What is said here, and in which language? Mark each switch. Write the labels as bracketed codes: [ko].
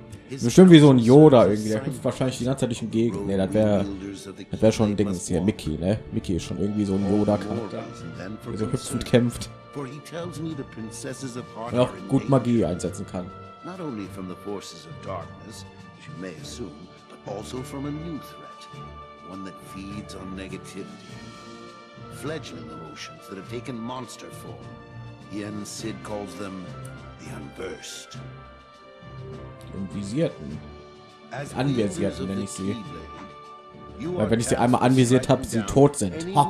[de] Bestimmt wie so ein Yoda irgendwie, der hüpft wahrscheinlich die ganze Zeit durch den Gegend. Ne, das wär schon ein Dingens hier, Mickey, ne? Mickey ist schon irgendwie so ein Yoda-Charakter, der so hüpft und kämpft. Und auch gut Magie einsetzen kann. [en] Not only from the forces of darkness, as you may assume, but also from a new threat, one that feeds on negativity. Fledgling emotions that have taken monster form. Yen Sid calls them the Unversed. [de] Anvisierten. Anvisierten, wenn ich sie. Weil wenn ich sie einmal anvisiert habe, sie tot sind.